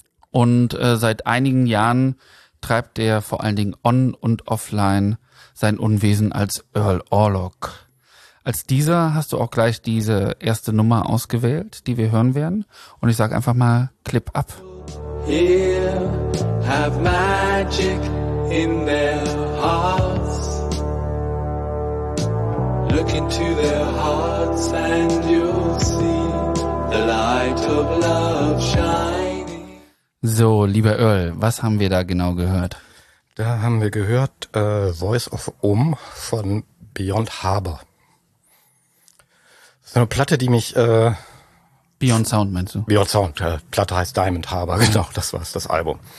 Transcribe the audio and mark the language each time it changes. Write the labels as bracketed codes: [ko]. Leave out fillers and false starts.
[de] Und seit einigen Jahren treibt er vor allen Dingen on und offline sein Unwesen als Earl Orlok. Als dieser hast du auch gleich diese erste Nummer ausgewählt, die wir hören werden. Und ich sage einfach mal, Clip ab. [en] He'll have magic in their hearts. Look into their hearts and you'll see the light of love shining. [de] So, lieber Earl, was haben wir da genau gehört? Da haben wir gehört Voice of Om von Beyond Harbor. So eine Platte, die mich... Beyond Sound meinst du? Beyond Sound, Platte heißt Diamond Harbor, genau, das war's, das Album.